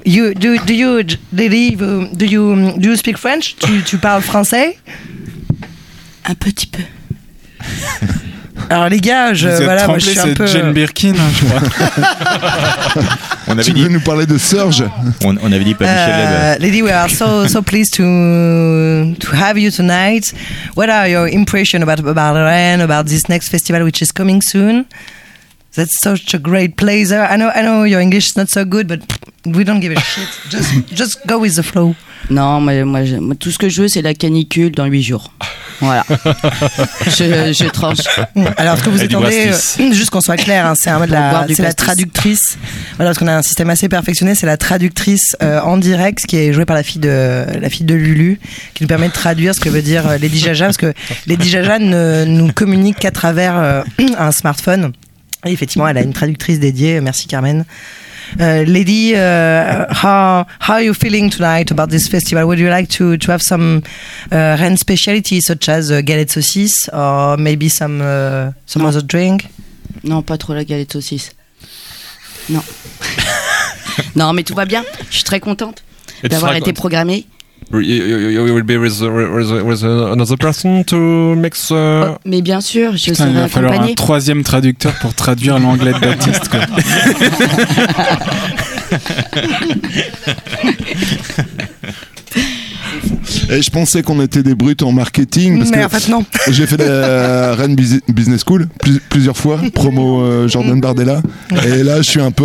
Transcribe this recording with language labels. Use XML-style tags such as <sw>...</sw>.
<en>Do you speak French?</en> <fr>Tu parles français? Un petit peu. Alors les gars, je suis un peu Jane Birkin, je crois. On avait tu veux dit... nous parler de Serge? On avait dit pas Michel.</fr> <en>Lady, we are so pleased to have you tonight. What are your impressions about Rennes, about this next festival which is coming soon? That's such a great place. I know your English is not so good, but we don't give a shit. Just go with the flow.</en> <fr>Non, mais moi, tout ce que je veux, c'est la canicule dans 8 jours. Voilà. je tranche. Alors, ce que vous attendez, juste qu'on soit clair, hein, c'est la traductrice. Voilà, parce qu'on a un système assez perfectionné, c'est la traductrice en direct, qui est jouée par la fille de Lulu, qui nous permet de traduire ce que veut dire Lady Jaja, parce que Lady Jaja ne nous communique qu'à travers un smartphone. Et effectivement, elle a une traductrice dédiée. Merci Carmen.</fr> <en>Lady, how are you feeling tonight about this festival? Would you like to have some Rennes specialties such as galette saucisse or maybe some other drink?</en> <fr>Non, pas trop la galette saucisse. Non. Non, mais tout va bien. Je suis très contente d'avoir été programmée.</fr> <en>You will be with another person to mix.</en> <fr>Mais bien sûr, je serai accompagnée. Il va falloir un troisième traducteur pour traduire l'anglais de Baptiste. Quoi. C'est fou. Et je pensais qu'on était des brutes en marketing. Parce mais que en fait, non. J'ai fait la Rennes Business School plusieurs fois, promo Jordan Bardella. Et là, je suis un peu.</fr>